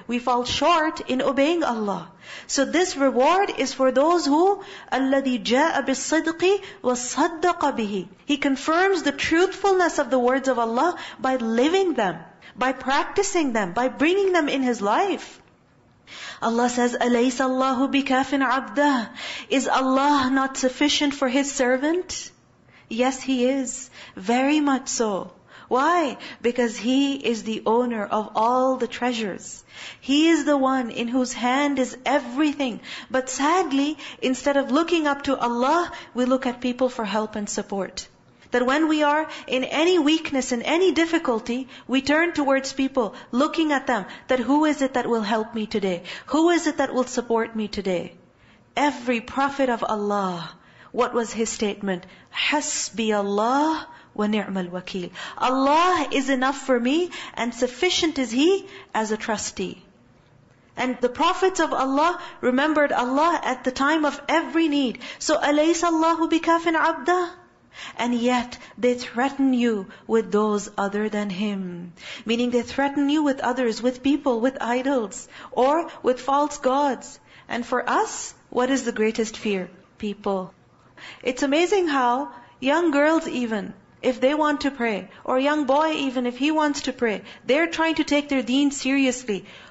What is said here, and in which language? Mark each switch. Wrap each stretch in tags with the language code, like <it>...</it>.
<en>We fall short in obeying Allah. So this reward is for those who,</en> <ar>الَّذِي جَاءَ بِالصِّدْقِ وَصَدَّقَ بِهِ.</ar> <en>He confirms the truthfulness of the words of Allah by living them, by practicing them, by bringing them in his life. Allah says,</en> <ar>أَلَيْسَ اللَّهُ بِكَافٍ عَبْدَهُ.</ar> <en>Is Allah not sufficient for his servant? Yes, he is. Very much so. Why? Because he is the owner of all the treasures. He is the one in whose hand is everything. But sadly, instead of looking up to Allah, we look at people for help and support. That when we are in any weakness, in any difficulty, we turn towards people, looking at them, that who is it that will help me today? Who is it that will support me today? Every Prophet of Allah, what was his statement?</en> <ar>حَسْبِ اللَّهُ وَنِعْمَ الْوَكِيلُ.</ar> <en>Allah is enough for me, and sufficient is He as a trustee. And the Prophets of Allah remembered Allah at the time of every need.</en> <ar>So, أَلَيْسَ اللَّهُ بِكَافٍ عَبْدًا.</ar> <en>And yet, they threaten you with those other than Him. Meaning they threaten you with others, with people, with idols, or with false gods. And for us, what is the greatest fear? People. It's amazing how young girls even, if they want to pray, or young boy even, if he wants to pray, they're trying to take their deen seriously.</en>